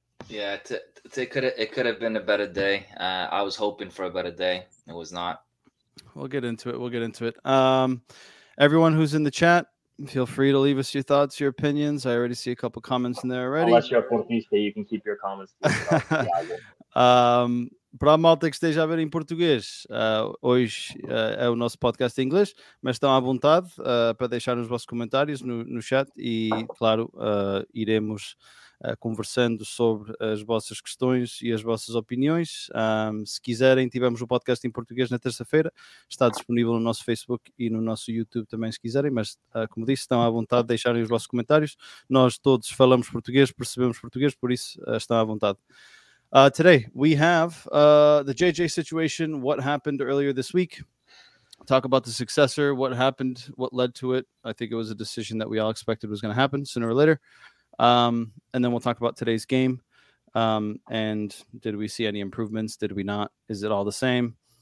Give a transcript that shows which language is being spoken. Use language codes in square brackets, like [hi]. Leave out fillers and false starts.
[en] Yeah, it could have been a better day. I was hoping for a better day. It was not. We'll get into it. Everyone who's in the chat, feel free to leave us your thoughts, your opinions. I already see a couple comments in there already. Unless you're Portista, you can keep your comments. [pt] Para a malta que esteja a ver em português, hoje é o nosso podcast em inglês, mas estão à vontade para deixar os vossos comentários no chat e, claro, iremos conversando sobre as vossas questões e as vossas opiniões. Se quiserem, tivemos o podcast em português na terça-feira, está disponível no nosso Facebook e no nosso YouTube também, se quiserem, mas como disse, estão à vontade de deixarem os vossos comentários. Nós todos falamos português, percebemos português, por isso estão à vontade. [en] Today we have the JJ situation, what happened earlier this week. Talk about the successor, what happened, what led to it. I think it was a decision that we all expected was going to happen sooner or later. And then we'll talk about today's game. And did we see any improvements? Did we not? Is it all the same?